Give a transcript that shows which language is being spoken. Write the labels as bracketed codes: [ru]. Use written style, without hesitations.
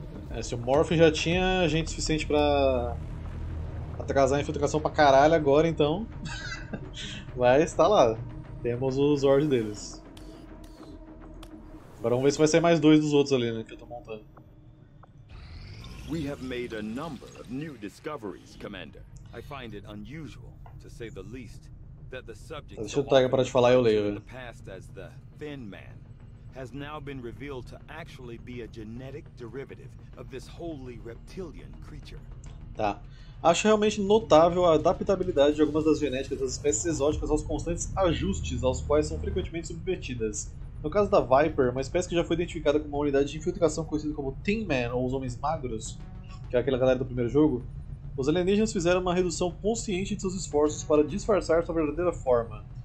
[pt] É, se o Morph já tinha gente suficiente pra atrasar a infiltração pra caralho agora, então... Mas tá lá, temos os Zord deles. Agora vamos ver se vai sair mais dois dos outros ali, né, que eu tô montando. [en] We have made a number of new discoveries, Commander. I find it unusual, to say the least, that the subject... [pt] Deixa o Tiger parar de falar e eu leio, né? [en] ...past as the Thin Man has now been revealed to actually be a genetic derivative of this holy reptilian creature. [pt] Tá. Acho realmente notável a adaptabilidade de algumas das genéticas das espécies exóticas aos constantes ajustes aos quais são frequentemente submetidas. No caso da Viper, uma espécie que já foi identificada como uma unidade de infiltração conhecida como Thin Man, ou os Homens Magros, que é aquela galera do primeiro jogo, os alienígenas fizeram uma redução consciente de seus esforços para disfarçar sua verdadeira forma.